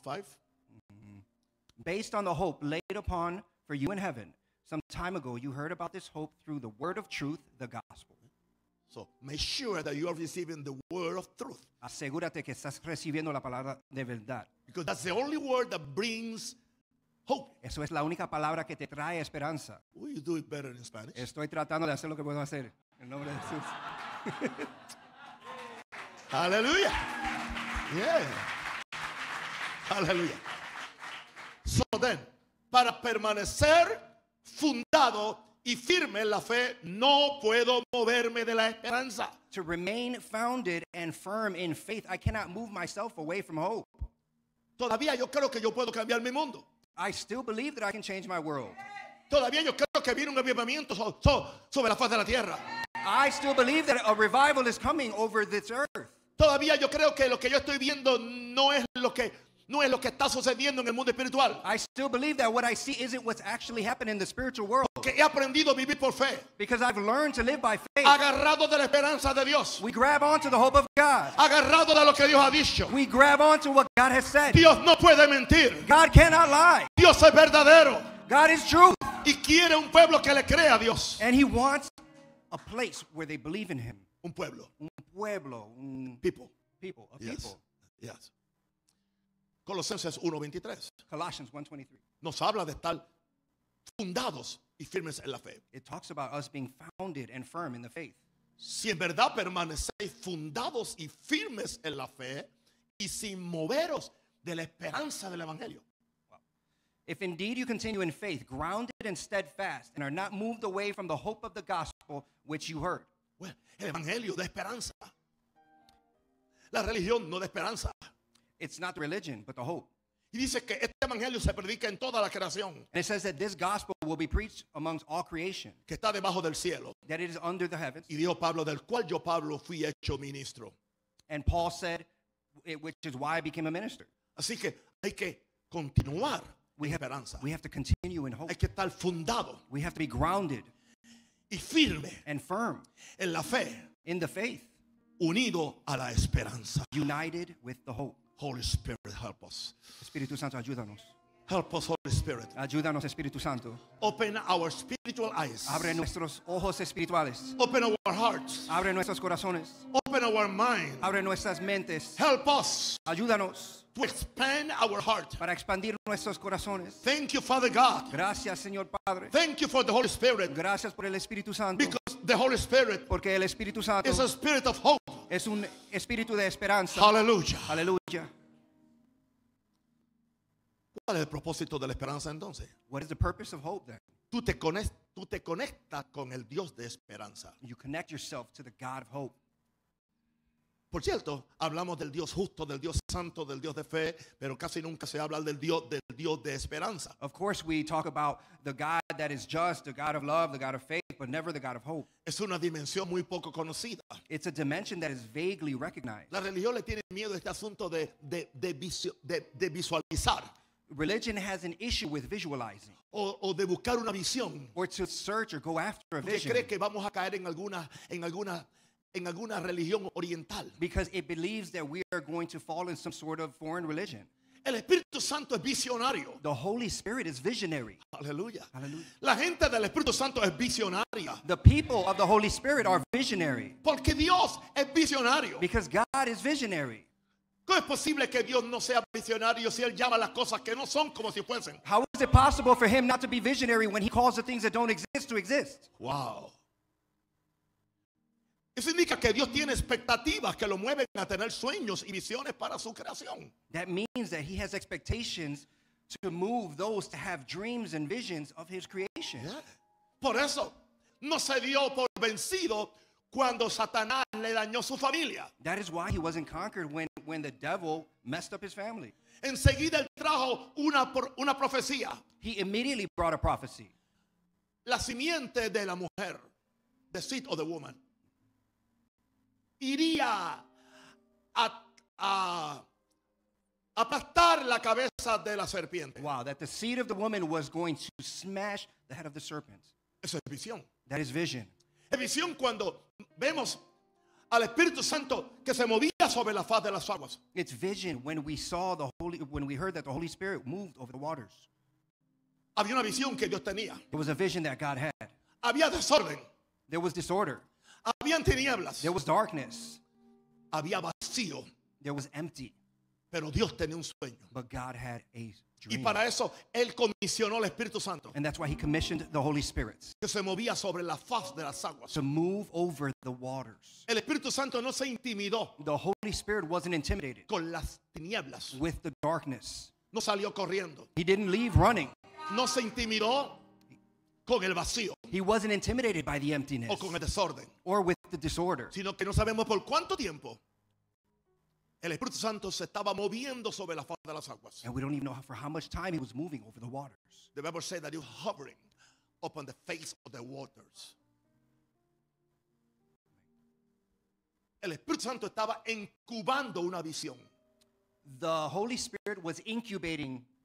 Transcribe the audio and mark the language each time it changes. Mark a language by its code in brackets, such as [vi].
[en] Mm-hmm. Based on the hope laid upon for you in heaven, Some time ago, you heard about this hope through the word of truth, the gospel. So make sure that you are receiving the word of truth. [es] Asegúrate que estás recibiendo la palabra de verdad. [en] Because that's the only word that brings hope. [es] Eso es la única palabra que te trae esperanza. [en] Will you do it better in Spanish? [es] Estoy tratando de hacer lo que puedo hacer. En nombre de Jesús. [en] Hallelujah. Yeah. Hallelujah. So then, [es] para permanecer fundado y firme en la fe, no puedo moverme de la esperanza. [en] To remain founded and firm in faith, I cannot move myself away from hope. [es] Todavía yo creo que yo puedo cambiar mi mundo. [en] I still believe that I can change my world. [es] Todavía yo creo que viene un avivamiento sobre la faz de la tierra. [en] I still believe that a revival is coming over this earth. [es] Todavía yo creo que lo que yo estoy viendo no es lo que está sucediendo en el mundo espiritual. [en] I still believe that what I see isn't what's actually happening in the spiritual world. [es] Porque he aprendido a vivir por fe. [en] Because I've learned to live by faith. [es] Agarrado de la esperanza de Dios. [en] We grab onto the hope of God. [es] Agarrado de lo que Dios ha dicho. [en] We grab onto what God has said. [es] Dios no puede mentir. [en] God cannot lie. [es] Dios es verdadero. [en] God is truth. [es] Y quiere un pueblo que le crea a Dios. [en] And he wants a place where they believe in him. [es] Un pueblo. Un pueblo. Un [en] people. People. A yes. People. [es] Yes. Colosenses 1:23. [en] Colossians 1:23. [es] Nos habla de estar fundados y firmes en la fe. [en] It talks about us being founded and firm in the faith. [es] Si en verdad permanecéis fundados y firmes en la fe y sin moveros de la esperanza del evangelio. [en] Well, if indeed you continue in faith, grounded and steadfast, and are not moved away from the hope of the gospel which you heard. [es] Well, el evangelio de esperanza. La religión no de esperanza. [en] It's not the religion, but the hope. [es] Y dice que este evangelio se predica en toda la creación. [en] And it says that this gospel will be preached amongst all creation. [es] Que está debajo del cielo. [en] That it is under the heavens. [es] Y dijo Pablo, del cual yo, Pablo, fui hecho ministro. [en] And Paul said, which is why I became a minister. [es] Así que hay que continuar en esperanza. [en] We have to continue in hope. [es] Hay que estar fundado. [en] We have to be grounded. [es] Y firme. [en] And firm. [es] En la fe. [en] In the faith. [es] Unido a la esperanza. [en] United with the hope. Holy Spirit, help us. [es] Espíritu Santo, ayúdanos. [en] Help us, Holy Spirit. [es] Ayúdanos, Espíritu Santo. [en] Open our spiritual eyes. [es] Abre nuestros ojos espirituales. [en] Open our hearts. [es] Abre nuestros corazones. [en] Open our minds. [es] Abre nuestras mentes. [en] Help us. [es] Ayúdanos. [en] To expand our heart. [es] Para expandir nuestros corazones. [en] Thank you, Father God. [es] Gracias, Señor Padre. [en] Thank you for the Holy Spirit. [es] Gracias por el Espíritu Santo. [en] Because the Holy Spirit. [es] Porque el Espíritu Santo. [en] Is a spirit of hope. [es] Es un espíritu de esperanza. Hallelujah. Hallelujah. ¿Cuál es el propósito de la esperanza entonces? [en] What is the purpose of hope then? [es] Tú te conectas con el Dios de esperanza. [en] You connect yourself to the God of hope. [es] Por cierto, hablamos del Dios justo, del Dios santo, del Dios de fe, pero casi nunca se habla del Dios de esperanza. [en] Of course we talk about the God that is just, the God of love, the God of faith, but never the God of hope. [es] Es una dimensión muy poco conocida. [en] It's a dimension that is vaguely recognized. [es] La religión le tiene miedo a este asunto de visualizar. [en] Religion has an issue with visualizing. [es] O de buscar una visión. [en] Or to search or go after a vision. [es] ¿Cree que vamos a caer en alguna religión oriental? [en] Because it believes that we are going to fall in some sort of foreign religion. [es] El Espíritu Santo es visionario. [en] The Holy Spirit is visionary. Hallelujah. Hallelujah. [es] La gente del Espíritu Santo es visionaria. [en] The people of the Holy Spirit are visionary. [es] Porque Dios es visionario. [en] Because God is visionary. [es] ¿Cómo es posible que Dios no sea visionario si él llama las cosas que no son como si fuesen? [en] How is it possible for him not to be visionary when he calls the things that don't exist to exist? Wow. [es] Eso indica que Dios tiene expectativas que lo mueven a tener sueños y visiones para su creación. [en] That means that he has expectations to move those to have dreams and visions of his creation. Yeah. [es] Por eso, no se dio por vencido cuando Satanás le dañó su familia. [en] That is why he wasn't conquered when the devil messed up his family. [es] Enseguida él trajo una profecía. [en] He immediately brought a prophecy. [es] La simiente de la mujer, [en] the seed of the woman, [es] iría a aplastar la cabeza de la serpiente. [en] Wow, that the seed of the woman was going to smash the head of the serpent. [es] Eso es visión. [en] That is vision. [es] Es visión cuando vemos al Espíritu Santo que se movía sobre la faz de las aguas. [en] It's vision when we heard that the Holy Spirit moved over the waters. [es] Había una visión que Dios tenía. [en] There was a vision that God had. [es] Había desorden. [en] There was disorder. [es] Habían tinieblas. [en] There was darkness. [es] Había vacío. [en] There was empty. [es] Pero Dios tenía un sueño. [en] But God had a dream. [es] Y para eso él comisionó al Espíritu Santo. [en] And that's why he commissioned the Holy Spirit. [es] Que se movía sobre la faz de las aguas. [en] To move over the waters. [es] El Espíritu Santo no se intimidó. [en] The Holy Spirit wasn't intimidated. [es] Con las tinieblas. [en] With the darkness. [es] No salió corriendo. [en] He didn't leave running. [es] No se intimidó con el vacío. [en] He wasn't intimidated by the emptiness. [es] O con el desorden. [en] Or with the disorder. [es] Sino que no sabemos por cuánto tiempo el Espíritu Santo se estaba moviendo sobre la faz de las aguas. [en] And we don't even know for how much time he was moving over the waters. The Bible says that he was hovering upon the face of the waters. [es] El Espíritu Santo estaba incubando una visión. [en] The Holy Spirit was incubating